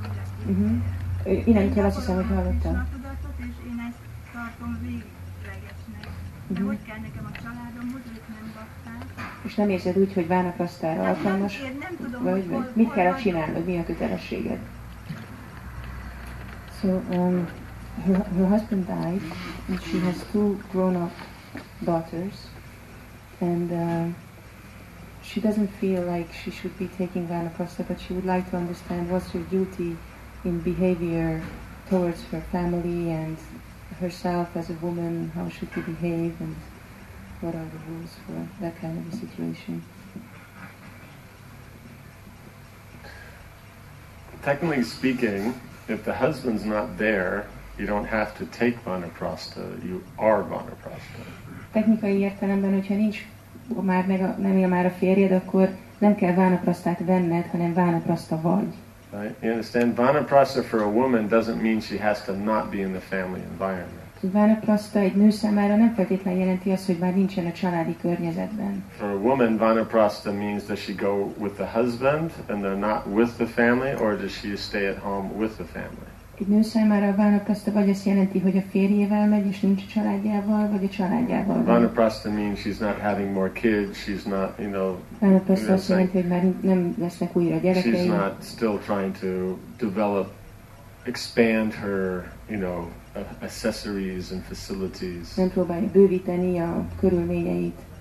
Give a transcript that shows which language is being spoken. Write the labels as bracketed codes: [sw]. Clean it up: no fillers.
[hu] illetve. Uh-huh. Innen kell, azt hiszem, hogy hallottam. Én tudatot, és én ezt tartom véglegesnek. Uh-huh. De hogy kell nekem a családomhoz, ők nem bakták. És nem érzed úgy, hogy vánaprasztára alkalmas? Nem tudom, vagy hogy hol mit kell csinálnod, mi a kötelességed? [en] So, her husband died, and she has two grown-up daughters, and she doesn't feel like she should be taking vanaprastha, but she would like to understand what's her duty in behavior towards her family and herself as a woman, how should she behave, and what are the rules for that kind of a situation. Technically speaking, if the husband's not there, you don't have to take vanaprastha, you are vanaprastha. [hu] Technikai értelemben, hogyha nincs már meg nem él már a férjed, akkor nem kell vanaprasztát venned, hanem vanaprasztha vagy. [en] Right? You understand? Vanaprastha for a woman doesn't mean she has to not be in the family environment. [hu] Vanaprastha egy nő számára nem feltétlenül jelenti azt, hogy már nincsen a családi környezetben. [en] For a woman, vanaprastha means does she go with the husband and they're not with the family, or does she stay at home with the family? [hu] Egy nő számára a vanaprasztha vagy azt jelenti, hogy a férjével megy, és nincs a családjával, vagy a családjával. [en] Vanaprasztha means she's not having more kids, she's not, you know... [hu] Vanaprasztha azt jelenti, hogy már nem lesznek újra gyerekei. [en] She's not still trying to develop, expand her, you know, accessories and facilities. [hu] Nem próbálja bővíteni a körülményeit.